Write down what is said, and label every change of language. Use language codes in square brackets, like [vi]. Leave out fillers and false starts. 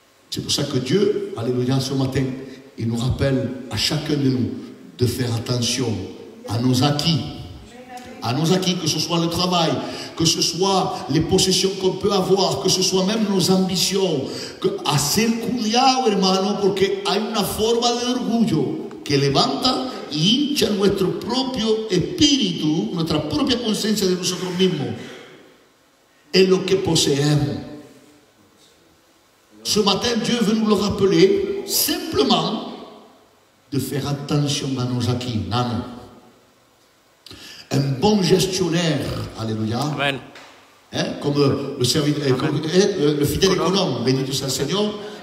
[fr] C'est pour ça que Dieu, alléluia, ce matin, il nous rappelle à chacun de nous de faire attention à nos acquis. À nos acquis, que ce soit le travail, que ce soit les possessions qu'on peut avoir, que ce soit même nos ambitions. [es] Que, a ser cuidado, hermano, porque hay una forma de orgullo que levanta y hincha nuestro propio espíritu, nuestra propia conciencia de nosotros mismos, en lo que poseemos. [fr] Ce matin, Dieu veut nous le rappeler simplement de faire attention à nos acquis. Amen. Un bon gestionnaire, alléluia. Amen. Hein, comme le serviteur, le fidèle économe, béni soit le Seigneur.